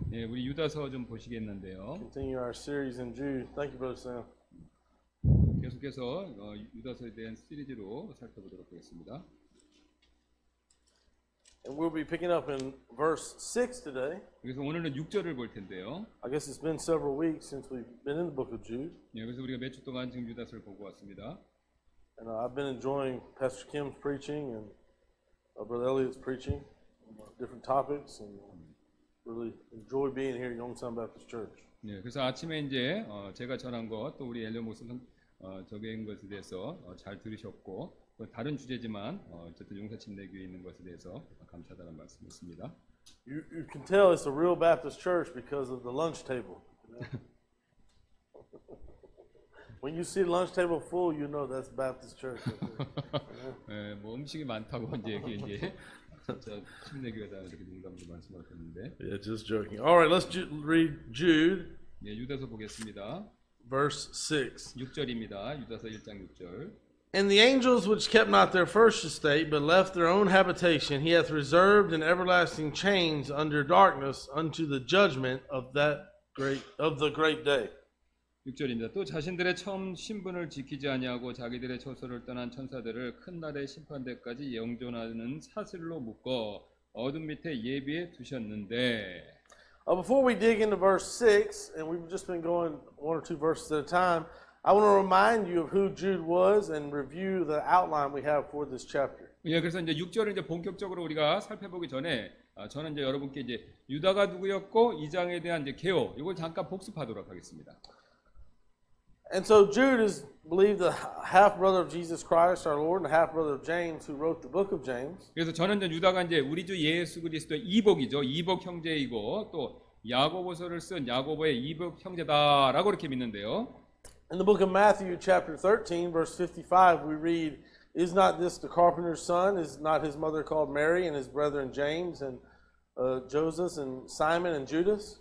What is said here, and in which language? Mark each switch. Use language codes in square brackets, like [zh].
[ko] 예, 우리 유다서 좀 보시겠는데요. [en] Continue our series in Jude. Thank you, Brother Sam. [ko] 계속해서 유다서에 대한 시리즈로 살펴보도록 하겠습니다. [en] And we'll be picking up in verse 6 today. [ko] 그래서 오늘은 6절을 볼 텐데요. [en] I guess it's been several weeks since we've been in the book of Jude. [ko] 예, 그래서 우리가 몇 주 동안 지금 유다서를 보고 왔습니다. [en] And I've been enjoying Pastor Kim's preaching and Brother Elliot's preaching on different topics and really enjoy being here at Yongsan Baptist Church. [ko] 예, 그래서 아침에 이제 제가 전한 것 또 우리 엘리엇 목사님 적용한 것에 대해서 잘 들으셨고 다른 주제지만 어쨌든 용사침례교회에 있는 것에 대해서 감사하다는 말씀이었습니다. [en] You can tell it's a real Baptist church because of the lunch table. When you see lunch table full, you know that's Baptist church. [ko] 네, 뭐 음식이 많다고 이제 침례교회다 이렇게 농담으로 말씀하셨는데. [en] Yeah, just joking. All right, let's read Jude. [ko] 네, 유다서 보겠습니다. [en] Verse [ko] 6. 6절입니다. 유다서 1장 6절. [en] And the angels which kept not their first estate, but left their own habitation, he hath reserved in everlasting chains under darkness unto the judgment of the great day. [ko] 6절입니다. 또 자신들의 처음 신분을 지키지 아니하고 자기들의 처소를 떠난 천사들을 큰 날의 심판대까지 영존하는 사슬로 묶어 어둠 밑에 예비해 두셨는데. [en] Before we dig into verse 6, and we've just been going one or two verses at a time, I want to remind you of who Jude was and review the outline we have for this chapter. [ko] 예, 그래서 이제 6절을 이제 본격적으로 우리가 살펴보기 전에 저는 이제 여러분께 이제 유다가 누구였고 이 장에 대한 이제 개요 이걸 잠깐 복습하도록 하겠습니다. [en] And so Jude is believed the half brother of Jesus Christ, our Lord, and the half brother of James, who wrote the book of James. [ko] 그래서 저는 유다가 이제 우리 주 예수 그리스도의 이복이죠. 이복 형제이고 또 야고보서를 쓴 야고보의 이복 형제다라고 이렇게 믿는데요. [en] In the book of Matthew, chapter 13, verse 55, we read, "Is not this the carpenter's son? Is not his mother called Mary, and his brethren James and Joseph and Simon and Judas?"